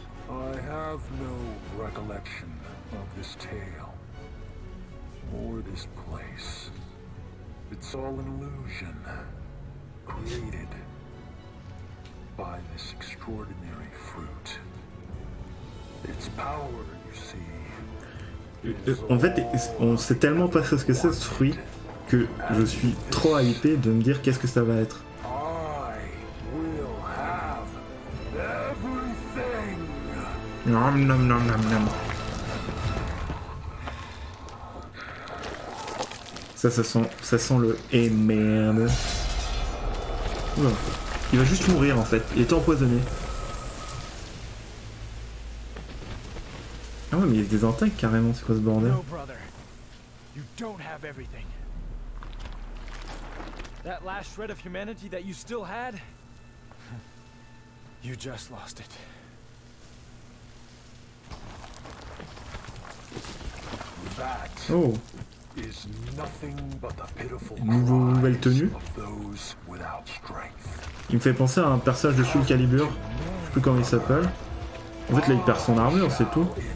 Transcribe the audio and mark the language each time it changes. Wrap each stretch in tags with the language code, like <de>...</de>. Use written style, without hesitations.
<en>I have no recollection of this tale. Or this place. It's all an illusion created by this extraordinary fruit. Its power, you see.</en> <fr>En fait, on sait tellement pas ce que c'est ce fruit que je suis trop hypé de me dire qu'est-ce que ça va être.</fr> <en>I will have everything. Nom nom nom nom nom.</en> <fr>Ça sent le et merde. Ouais. Il va juste mourir en fait. Il est empoisonné. Ah ouais, mais il se désintègre carrément, c'est quoi ce bordel?</fr> <en>No, brother. You don't have everything. That last shred of humanity that you still had, you just lost it. That. Oh. Is nothing but the pitiful</en> <fr>nouvelle tenue.</fr> <en>Of those without strength.</en> <fr>Il me fait penser à un personnage de Soul Calibur, je sais plus comment il s'appelle. En fait là il perd son armure, c'est tout.</fr>